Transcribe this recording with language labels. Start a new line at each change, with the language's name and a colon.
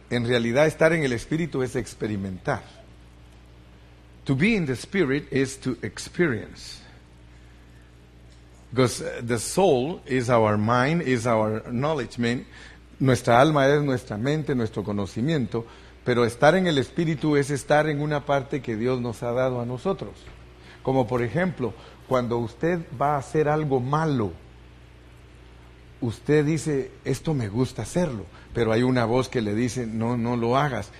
Spanish: En realidad, estar en el Espíritu es experimentar.
English: To be in the Spirit is to experience. Because the soul is our mind, is our knowledge, man.
Spanish: Nuestra alma es nuestra mente, nuestro conocimiento, pero estar en el Espíritu es estar en una parte que Dios nos ha dado a nosotros. Como por ejemplo, cuando usted va a hacer algo malo, usted dice, esto me gusta hacerlo, pero hay una voz que le dice, no lo hagas.